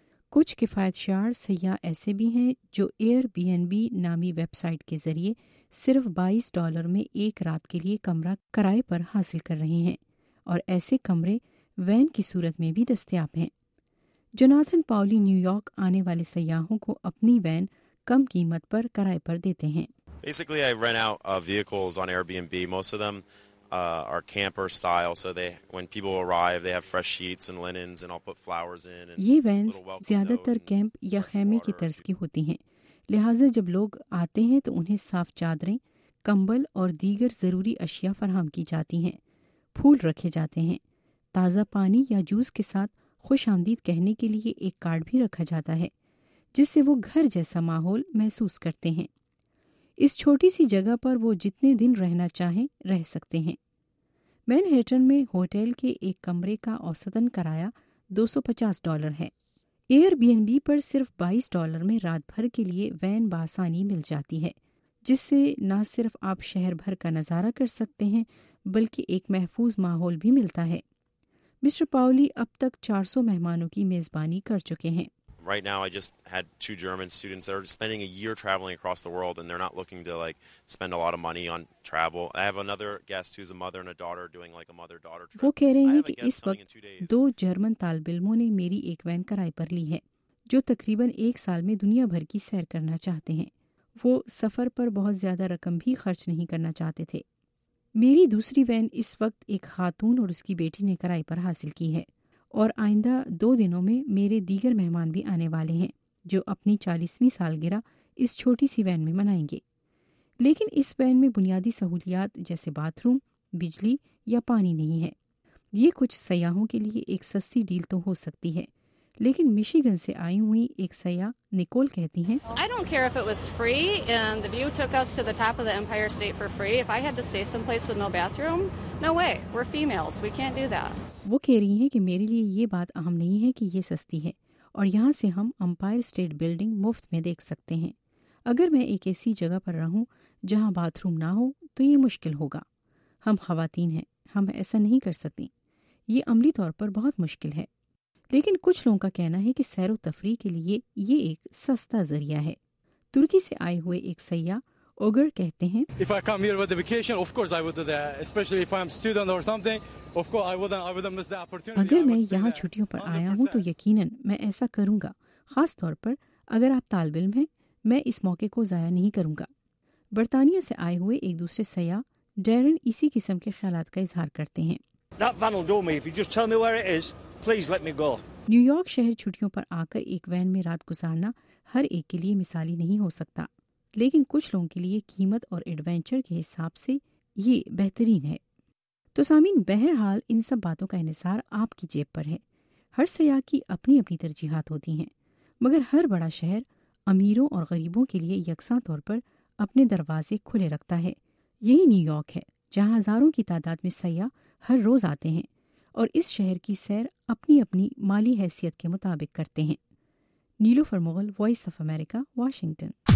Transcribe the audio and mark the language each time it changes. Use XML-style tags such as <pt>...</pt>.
<ur>کچھ کفایت شعار سیاح ایسے بھی ہیں جو ایئر بی این بی نامی ویب سائٹ کے ذریعے صرف $22 میں ایک رات کے لیے کمرہ کرائے پر حاصل کر رہے ہیں، اور ایسے کمرے وین کی صورت میں بھی دستیاب ہیں. جوناتھن پاولی نیو یارک آنے والے سیاحوں کو اپنی وین کم قیمت پر کرائے پر دیتے ہیں.</ur> <en>Basically, I rent out vehicles on Airbnb. Most of them are camper style, so they, when people arrive, they have fresh sheets and linens, and I'll put flowers in.</en> <ur>یہ وینز زیادہ تر camp یا خیمے کی طرز کی ہوتی ہیں، لہٰذا جب لوگ آتے ہیں تو انہیں صاف چادریں، کمبل اور دیگر ضروری اشیاء فراہم کی جاتی ہیں، پھول رکھے جاتے ہیں، تازہ پانی یا جوس کے ساتھ خوش آمدید کہنے کے لیے ایک کارڈ بھی رکھا جاتا ہے. جس سے وہ گھر جیسا ماحول محسوس کرتے ہیں۔ اس چھوٹی سی جگہ پر وہ جتنے دن رہنا چاہیں رہ سکتے ہیں۔ مینہٹن میں ہوٹل کے ایک کمرے کا اوسطاً کرایہ $250 ہے۔ ایئر بی این بی پر صرف $22 میں رات بھر کے لیے وین بآسانی مل جاتی ہے، جس سے نہ صرف آپ شہر بھر کا نظارہ کر سکتے ہیں بلکہ ایک محفوظ ماحول بھی ملتا ہے۔ مسٹر پاولی اب تک 400 مہمانوں کی میزبانی کر چکے ہیں۔</ur> <en>Right now I just had two German students that are spending a year traveling across the world and they're not looking to like spend a lot of money on travel. I have another guest who's a mother and a daughter doing like a mother daughter trip.</en> <ur>وہ کہہ رہے ہیں کہ اس وقت دو German طالب علموں نے میری ایک وین کرائے پر لی ہے جو تقریباً ایک سال میں دنیا بھر کی سیر کرنا چاہتے ہیں۔ وہ سفر پر بہت زیادہ رقم بھی خرچ نہیں کرنا چاہتے تھے۔ میری دوسری وین اس وقت ایک خاتون اور اس کی بیٹی نے کرائے پر حاصل کی ہے، اور آئندہ دو دنوں میں میرے دیگر مہمان بھی آنے والے ہیں جو اپنی 40ویں سالگرہ اس چھوٹی سی وین میں منائیں گے۔ لیکن اس وین میں بنیادی سہولیات جیسے باتھ روم، بجلی یا پانی نہیں ہے۔ یہ کچھ سیاحوں کے لیے ایک سستی ڈیل تو ہو سکتی ہے، لیکن مشیگن سے آئی ہوئی ایک سیاح نکول کہتی ہیں،</ur> <en>I don't care if it was free and the view took us to the top of the Empire State for free. If I had to stay someplace with no bathroom, no way. We're females. We can't do that.</en> <ur>وہ کہہ رہی ہیں کہ میرے لیے یہ بات اہم نہیں ہے کہ یہ سستی ہے، اور یہاں سے ہم امپائر اسٹیٹ بلڈنگ مفت میں دیکھ سکتے ہیں۔ اگر میں ایک ایسی جگہ پر رہوں جہاں باتھ روم نہ ہو تو یہ مشکل ہوگا۔ ہم خواتین ہیں، ہم ایسا نہیں کر سکتی۔ یہ عملی طور پر بہت مشکل ہے، لیکن کچھ لوگوں کا کہنا ہے کہ سیر و تفریح کے لیے یہ ایک سستا ذریعہ ہے۔ ترکی سے آئے ہوئے ایک سیاح اوگر کہتے ہیں،</ur> <en>If I come here with a vacation, of course I would do that. Especially if I'm student or something, of course I wouldn't miss the opportunity.</en> <ur>اگر میں یہاں چھٹیوں پر آیا ہوں تو یقیناً میں ایسا کروں گا، خاص طور پر اگر آپ طالب علم ہیں، میں اس موقع کو ضائع نہیں کروں گا۔ برطانیہ سے آئے ہوئے ایک دوسرے سیاح ڈیرن اسی قسم کے خیالات کا اظہار کرتے ہیں۔</ur> <en>That van will do me. If you just tell me where it is, please let me go.</en> <ur>New York شہر چھٹیوں پر آ کر ایک وین میں رات گزارنا ہر ایک کے لیے مثالی نہیں ہو سکتا، لیکن کچھ لوگوں کے لیے قیمت اور ایڈونچر کے حساب سے یہ بہترین ہے۔ تو سامعین، بہرحال ان سب باتوں کا انحصار آپ کی جیب پر ہے۔ ہر سیاح کی اپنی اپنی ترجیحات ہوتی ہیں، مگر ہر بڑا شہر امیروں اور غریبوں کے لیے یکساں طور پر اپنے دروازے کھلے رکھتا ہے۔ یہی نیو یارک ہے، جہاں ہزاروں کی تعداد میں سیاح ہر روز آتے ہیں اور اس شہر کی سیر اپنی اپنی مالی حیثیت کے مطابق کرتے ہیں۔ نیلوفر Mughal, voice of America, Washington.</ur>